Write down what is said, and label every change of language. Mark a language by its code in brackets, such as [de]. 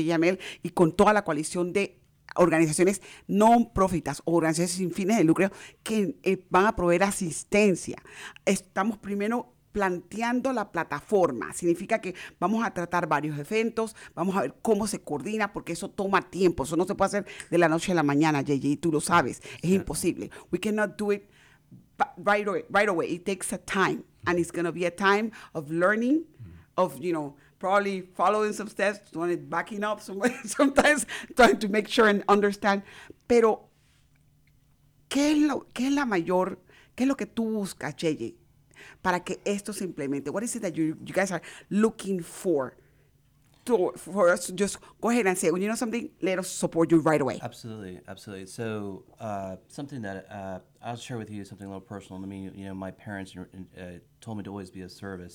[es] Yamel y con toda la coalición de organizaciones non-profitas o organizaciones sin fines de lucro que van a proveer asistencia. Estamos primero planteando la plataforma. Significa que vamos a tratar varios eventos, vamos a ver cómo se coordina, porque eso toma tiempo. Eso no se puede hacer de la noche a la mañana, JJ, tú lo sabes. Es imposible. [en] We cannot do it right away. It takes a time, and it's going to be a time of learning, of, you know, probably following some steps, backing up sometimes, trying to make sure and understand. [es] Pero, ¿qué es lo que tú buscas, JJ? Para que esto se implemente. [en] What is it that you guys are looking for? For us to just go ahead and say, well, you know something, let us support you right away. Absolutely. So something that I'll share with you, something a little personal. I mean, you know, my parents told me to always be of service.